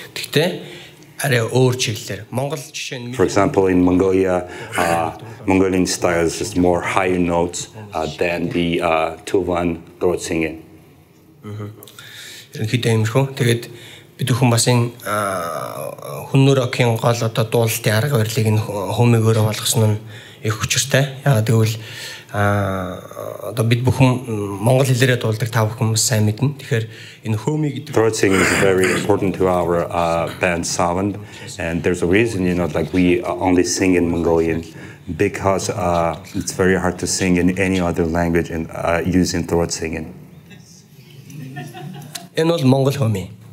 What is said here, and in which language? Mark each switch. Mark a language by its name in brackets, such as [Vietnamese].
[English] For example, in Mongolia, Mongolian style is just more higher notes than the Tuvan throat singing. [Mongolian] Ерөнхийдөө юм шүү. Тэгээд бид хүмүүс бас энэ хүн нүр окийн гол одоо дуулалтын арга барилыг нь хөөмэйгээр болгосон нь их хүчтэй. Яагаад гэвэл одоо бид бүхэн монгол хэлээрээ дуулдаг та бүхэн сайн мэднэ. Тэгэхээр энэ хөөми гэдэг [English] Throat singing is very important to our band Savand, and there's a reason, you know, like we only sing in Mongolian because it's very hard to sing in any other language and using throat singing. [Mongolian] Энэ бол монгол хөөми.